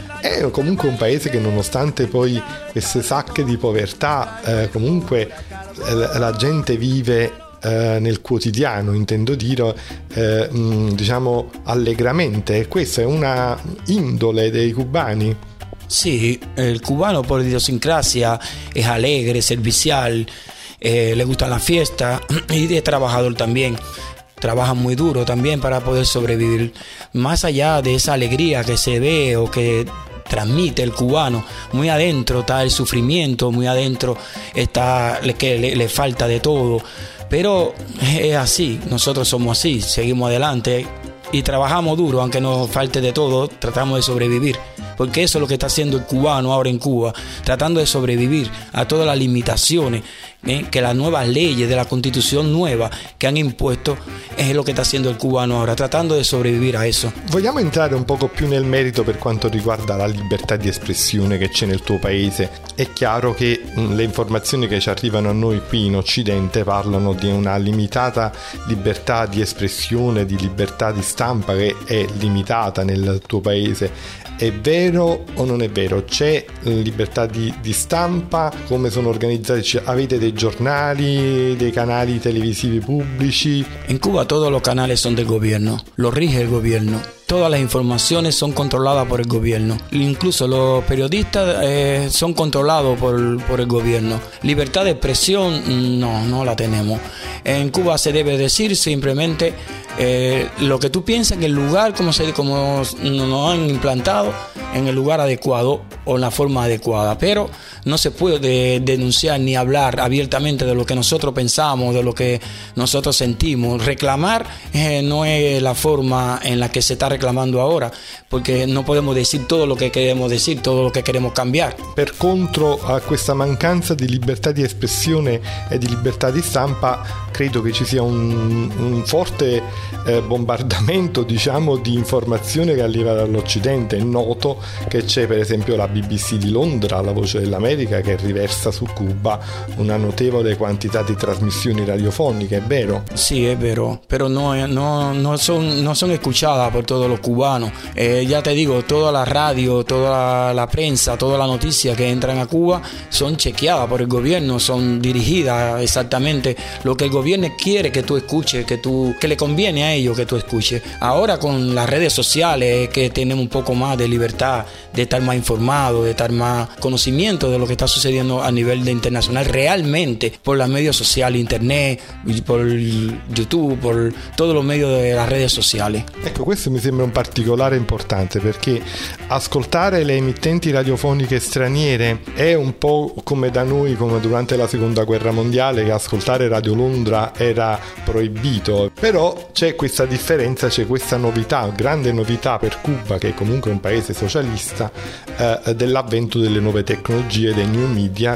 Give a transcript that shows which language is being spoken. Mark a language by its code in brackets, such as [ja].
[it] È comunque un paese che, nonostante poi queste sacche di povertà, comunque la gente vive nel quotidiano, intendo dire, diciamo allegramente. Questa è una indole dei cubani. [es] Sí, el cubano por idiosincrasia es alegre, servicial, le gusta la fiesta y es trabajador también. Trabaja muy duro también para poder sobrevivir. Más allá de esa alegría que se ve o que transmite el cubano, muy adentro está el sufrimiento, muy adentro está que le falta de todo. Pero es así, nosotros somos así, seguimos adelante y trabajamos duro, aunque nos falte de todo, tratamos de sobrevivir. Porque eso es lo que está haciendo el cubano ahora en Cuba, tratando de sobrevivir a todas las limitaciones que las nuevas leyes de la constitución nueva que han impuesto, es lo que está haciendo el cubano ahora, tratando de sobrevivir a eso. [it] Vogliamo entrare un poco più nel merito per quanto riguarda la libertà di espressione che c'è nel tuo paese. È chiaro che le informazioni che ci arrivano a noi qui in Occidente parlano di una limitata libertà di espressione, di libertà di stampa che è limitata nel tuo paese. È vero o non è vero? C'è libertà di stampa? Come sono organizzati? Avete dei giornali, dei canali televisivi pubblici? In Cuba tutti i canali sono del governo, lo rige il governo. [es] Todas las informaciones son controladas por el gobierno. Incluso los periodistas son controlados por el gobierno. Libertad de expresión, no la tenemos. En Cuba se debe decir simplemente lo que tú piensas en el lugar, como nos han implantado, en el lugar adecuado o en la forma adecuada. Pero no se puede denunciar ni hablar abiertamente de lo que nosotros pensamos, de lo que nosotros sentimos. Reclamar no es la forma en la que se está reclamando ahora, porque no podemos decir todo lo que queremos decir, todo lo que queremos cambiar. [it] Per contro a questa mancanza di libertà di espressione e di libertà di stampa, credo che ci sia un forte bombardamento, diciamo, di informazione che arriva dall'Occidente. È noto che c'è per esempio la BBC di Londra, la Voce dell'America, che riversa su Cuba una notevole quantità di trasmissioni radiofoniche, è vero? Sì, è vero, però non sono [es] escuchada por todos los cubanos. Ya te digo, toda la radio, toda la prensa, toda la noticia que entran a Cuba son chequeadas por el gobierno, son dirigidas exactamente lo que el gobierno quiere que tú escuches, que le conviene a ellos que tú escuches. Ahora con las redes sociales es que tenemos un poco más de libertad de estar más informado, de estar más conocimiento de lo que está sucediendo a nivel de internacional realmente por las medios sociales, internet, por YouTube, por todos los medios de las redes sociales. [it] Ecco, questo mi sembra un particolare importante, perché ascoltare le emittenti radiofoniche straniere è un po' come da noi, come durante la Seconda Guerra Mondiale, che ascoltare Radio Londra era proibito. Però c'è questa differenza, c'è questa novità, grande novità per Cuba, che è comunque un paese socialista, dell'avvento delle nuove tecnologie, dei new media.